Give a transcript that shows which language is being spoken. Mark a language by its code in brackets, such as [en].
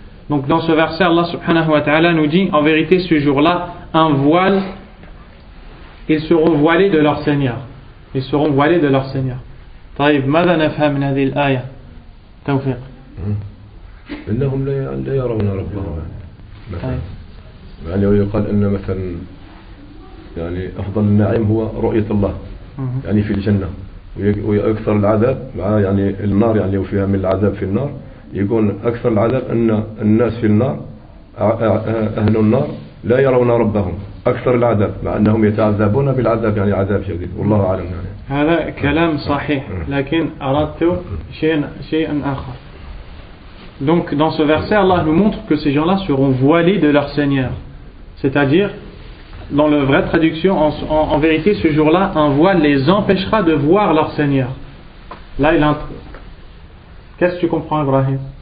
[fr] Donc dans ce verset, Allah [ar] subhanahu wa ta'ala [fr] nous dit, en vérité ce jour-là, un voile, ils seront voilés de leur Seigneur. Ils seront voilés de leur Seigneur. [ar] طيب ماذا نفهم من هذه الآية؟ توفيق. إنهم لا يرون ربهم. مثلا. يعني يقال إن مثلا يعني أفضل النعيم هو رؤية الله. يعني في الجنة. ويأكثر العذاب مع يعني النار يعني وفيها من العذاب في النار. يقول أكثر العذاب أن الناس في النار أهل النار لا يرون ربهم أكثر العذاب مع أنهم يتعذبون بالعذاب يعني عذاب شديد والله أعلم يعني. هذا كلام صحيح لكن أردت شيئا آخر. [fr] Donc dans ce verset Allah nous montre que ces gens-là seront voilés de leur Seigneur, c'est-à-dire dans la vraie traduction en vérité ce jour-là un voile les empêchera de voir leur Seigneur. Là il entre. Qu'est-ce que tu comprends, Ibrahim?